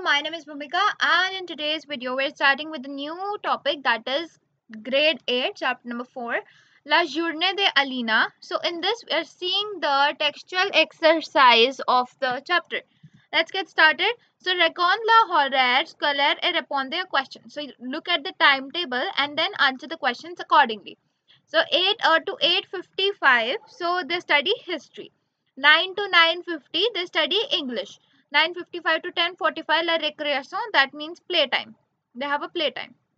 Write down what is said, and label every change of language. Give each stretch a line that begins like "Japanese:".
English: My name is Bhumika and in today's video we're starting with a new topic, that is grade 8, chapter number 4, La Journée de Alina. So in this we are seeing the textual exercise of the chapter. Let's get started.
French: So reckon la horaire scolaire et répondez a question.
English: So look at the timetable and then answer the questions accordingly. So 8 to 8:55, so they study history. 9 to 9:50, they study English. 9:55 to 10:45, la récréation, that means playtime. They have a playtime.